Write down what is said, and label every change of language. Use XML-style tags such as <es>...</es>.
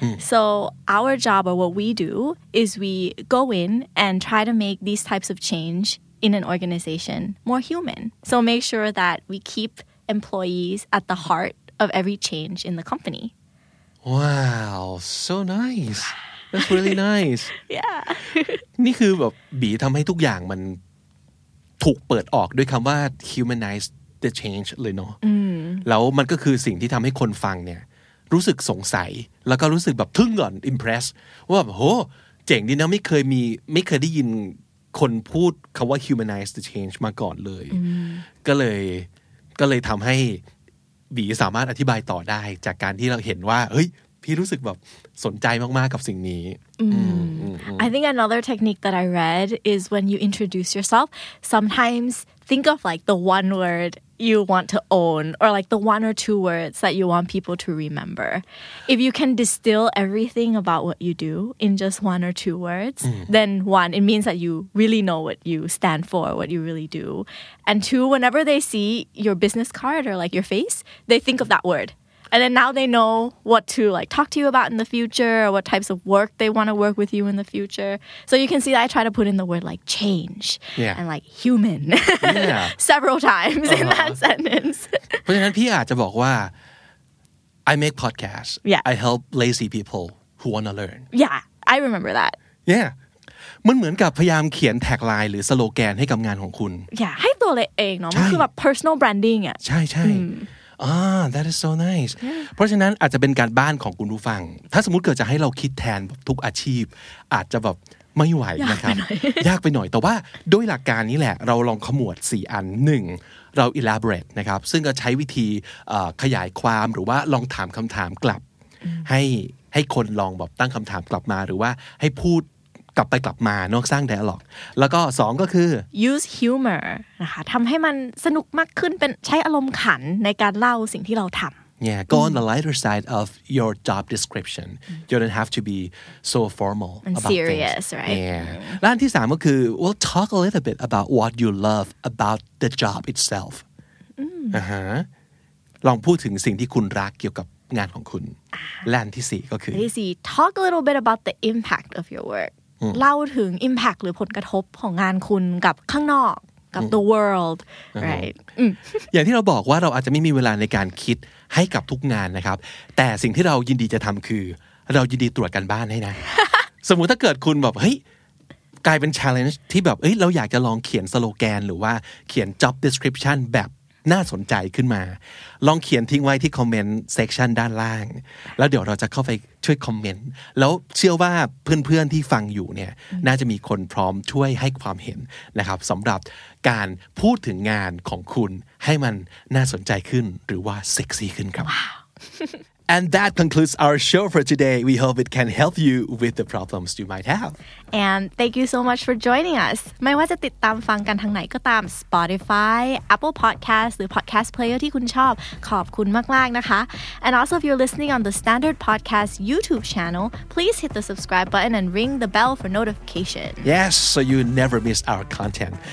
<en>So our job or what we do is we go in and try to make these types of change in an organization more human. So make sure that we keep employees at the heart of every change in the company. Wow, so nice. That's really nice. yeah.</en> <th>นี่คือแบบบีทำให้ทุกอย่างมันถูกเปิดออกด้วยคำว่า</th> <en>humanize the change</en> <th>เลยเนาะแล้วมันก็คือสิ่งที่ทำให้คนฟังเนี่ยรู้สึกสงสัยแล้วก็รู้สึกแบบทึ่งก่อน impress ว่าแบบโหเจ๋งดีนะไม่เคยได้ยินคนพูดคำว่า humanize the change มาก่อนเลยก็เลย ก็เลยทำให้บีสามารถอธิบายต่อได้จากการที่เราเห็นว่าเฮ้ยพี่รู้สึกแบบสนใจมากๆกับสิ่งนี้</th> <en>I think another technique that I read is when you introduce yourself sometimes think of like the one wordyou want to own or like the one or two words that you want people to remember. If you can distill everything about what you do in just one or two words, then one, it means that you really know what you stand for, what you really do. And two, whenever they see your business card or like your face, they think of that word. And then now they know what to like talk to you about in the future or what types of work they want to work with you in the future. So you can see that I try to put in the word like change yeah. and like human several times in that sentence.</en> <th>เพราะฉะนั้นพี่อาจจะบอกว่า</th> <en>I make podcasts. Yeah. I help lazy people who want to learn. Yeah, I remember that. Yeah.</en> <th>มันเหมือนกับพยายามเขียนแท็กไลน์หรือสโลแกนให้กับงานของคุณ Yeah, ให้ตัวเองเนาะมันคือแบบ personal branding อ่ ะ ใช่ๆ</th> <en>that is so nice</en> <th>เพราะฉะนั้นอาจจะเป็นการบ้านของคุณผู้ฟังถ้าสมมุติเกิดจะให้เราคิดแทนทุกอาชีพอาจจะแบบไม่ไหวนะครับยากไปหน่อยแต่ว่าด้วยหลักการนี้แหละเราลองขมวด4อัน1เรา elaborate นะครับซึ่งก็ใช้วิธีขยายความหรือว่าลองถามคำถามกลับให้คนลองแบบตั้งคำถามกลับมาหรือว่าให้พูดกลับไปกลับมาเนาะสร้างไดอะล็อกแล้วก็สองก็คือ</th> <en>use humor</en> <th>นะคะทำให้มันสนุกมากขึ้นเป็นใช้อารมณ์ขันในการเล่าสิ่งที่เราทำ</th> <en>yeah go on the lighter side of your job description you don't have to be so formal and about serious things. right</en> <th>yeah แล้วที่สามก็คือ</th> <en>we'll talk a little bit about what you love about the job itself</en> <th>ลองพูดถึงสิ่งที่คุณรักเกี่ยวกับงานของคุณแล้วที่สี่ก็คือ ที่สี่</th> <en>talk a little bit about the impact of your work</en> <th>เล่าถึง impact หรือผลกระทบของงานคุณกับข้างนอกกับ</th> <en>the world right</en> <th>อย่างที่เราบอกว่าเราอาจจะไม่มีเวลาในการคิดให้กับทุกงานนะครับแต่สิ่งที่เรายินดีจะทำคือเรายินดีตรวจการบ้านให้นะสมมุติถ้าเกิดคุณแบบเฮ้ย กลายเป็น challenge ที่แบบเอ้ยเราอยากจะลองเขียนสโลแกนหรือว่าเขียน job description แบบน่าสนใจขึ้นมาลองเขียนทิ้งไว้ที่คอมเมนต์เซกชันด้านล่างแล้วเดี๋ยวเราจะเข้าไปช่วยคอมเมนต์แล้วเชื่อว่าเพื่อนๆที่ฟังอยู่เนี่ยน่าจะมีคนพร้อมช่วยให้ความเห็นนะครับสำหรับการพูดถึงงานของคุณให้มันน่าสนใจขึ้นหรือว่าเซ็กซี่ขึ้นครับ</th> <en>wow. And that concludes our show for today. We hope it can help you with the problems you might have. And thank you so much for joining us.</en> <th>ไม่ว่าจะติดตามฟังกันทางไหนก็ตาม</th> <en>Spotify, Apple Podcasts, หรือ Podcast Player</en> <th>ที่คุณชอบขอบคุณมากๆนะคะ</th> <en>And also if you're listening on the Standard Podcast YouTube channel, please hit the subscribe button and ring the bell for notification. Yes, so you never miss our content.</en>